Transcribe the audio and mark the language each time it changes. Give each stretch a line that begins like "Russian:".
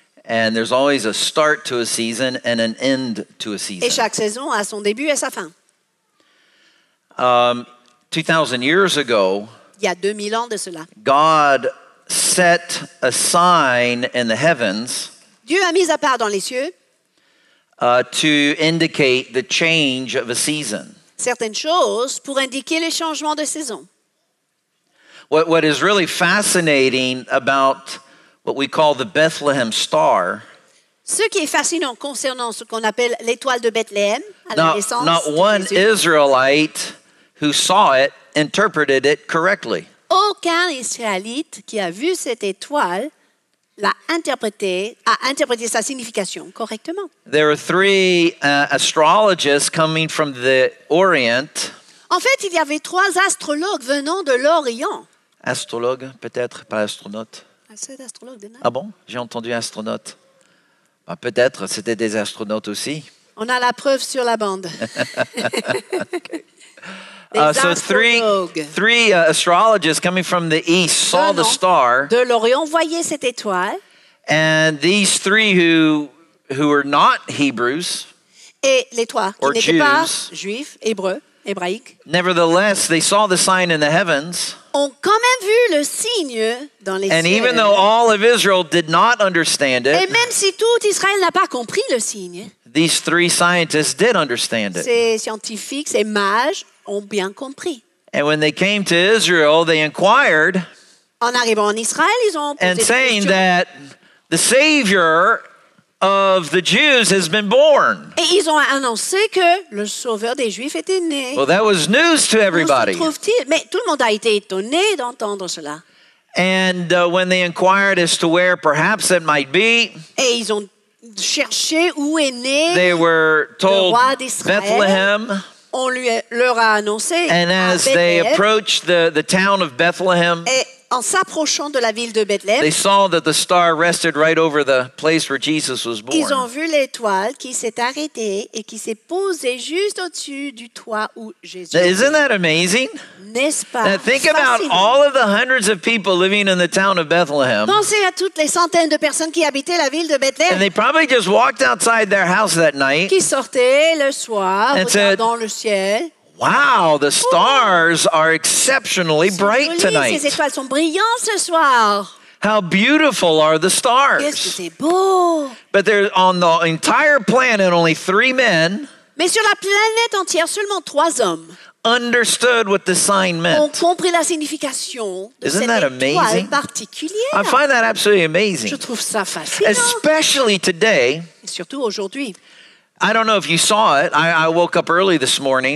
English: And there's always a start to a season and an end to a season.
French: Et chaque saison a son début et sa fin.
English: 2,000 years ago,
French: il y a 2000 ans de cela,
English: God set a sign in the heavens.
French: Dieu a mis à part dans les cieux.
English: To indicate the change of a season.
French: Certaines choses pour indiquer les changements de saison.
English: What is really fascinating about what we call the Bethlehem star?
French: Ce qui est fascinant concernant ce qu'on appelle l'étoile de Bethléem à la naissance.
English: Not one Israelite who saw it interpreted it correctly.
French: Aucun Israélite qui a vu cette étoile l'a interprétée, a interprété sa signification correctement.
English: There are three astrologists coming from the Orient.
French: En fait, il y avait trois astrologues venant de l'Orient. Astrologue, peut-être, pas astronaute. Ah bon? J'ai entendu astronaute. Ben, peut-être, c'était des astronautes aussi. On a la preuve sur la bande.
English: Okay. So three astrologers coming from the east saw the star.
French: De l'Orient voyaient cette étoile.
English: And these three who were not Hebrews.
French: Et les trois qui n'étaient Jews, pas juifs, hébreux. Hébraïque.
English: Nevertheless, they saw the sign in the heavens.
French: Ont quand même vu le signe dans les cieux.
English: And even though all of Israel did not understand it,
French: et même si tout Israël n'a pas compris le signe,
English: these three scientists did understand it.
French: Ces scientifiques, ces mages ont bien compris.
English: And when they came to Israel, they inquired.
French: En arrivant en Israël, ils ont posé
English: and saying that the Savior of the Jews has been born.
French: Et ils ont annoncé que le sauveur des Juifs était né.
English: Well, that was news to everybody.
French: Où se trouve-t-il? Mais tout le monde a été étonné d'entendre cela.
English: And when they inquired as to where perhaps it might be,
French: et ils ont cherché où est né.
English: They were told
French: le roi d'Israël.
English: Bethlehem.
French: On lui leur a annoncé.
English: And as they approached the town of Bethlehem,
French: et en s'approchant de la ville de Bethléem,
English: they saw that the star rested right over the place where Jesus was born.
French: Ils ont vu l'étoile qui s'est arrêtée et qui s'est posée juste au-dessus du toit où Jésus était.
English: Isn't that amazing?
French: N'est-ce pas fascinant?
English: Think about all of the hundreds of people living in the town of Bethlehem.
French: Pensez à toutes les centaines de personnes qui habitaient la ville de Bethléem.
English: And they probably just walked outside their house that night.
French: Qui sortaient le soir, regardant le ciel.
English: Wow, the stars are exceptionally bright tonight.
French: Ces étoiles sont brillantes ce soir.
English: How beautiful are the stars?
French: Qu'est-ce que c'est beau.
English: But there's on the entire planet only three men.
French: Mais sur la planète entière, seulement trois hommes.
English: Understood what the sign meant.
French: Ont compris la signification de
English: Isn't
French: cette
English: that amazing?
French: Étoile particulière.
English: I find that absolutely amazing.
French: Je trouve ça fascinant.
English: Especially today.
French: Et surtout aujourd'hui.
English: I don't know if you saw it. I woke up early this morning.